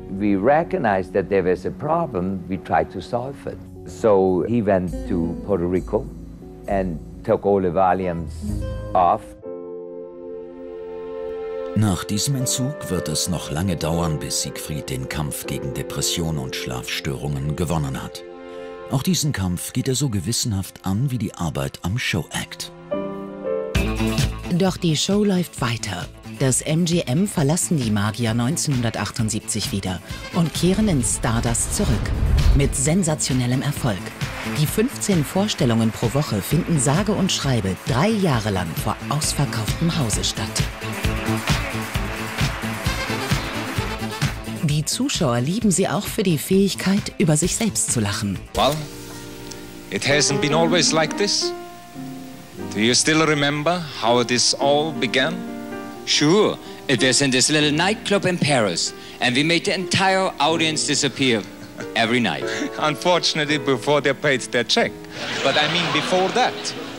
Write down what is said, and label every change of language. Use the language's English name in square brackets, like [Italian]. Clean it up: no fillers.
[English] We recognized that there was a problem, we tried to solve it. So he went to Puerto Rico and took all the Valiums off. [German] Nach diesem Entzug wird es noch lange dauern, bis Siegfried den Kampf gegen Depression und Schlafstörungen gewonnen hat. Auch diesen Kampf geht er so gewissenhaft an wie die Arbeit am Show-Act. Doch die Show läuft weiter. Das MGM verlassen die Magier 1978 wieder und kehren in Stardust zurück. Mit sensationellem Erfolg. Die 15 Vorstellungen pro Woche finden sage und schreibe 3 Jahre lang vor ausverkauftem Hause statt. Die Zuschauer lieben sie auch für die Fähigkeit, über sich selbst zu lachen. [English] Well, it hasn't been always like this. Do you still remember how this all began? Sure, it was in this little nightclub in Paris, and we made the entire audience disappear every night. Unfortunately, before they paid their check. But I mean before that.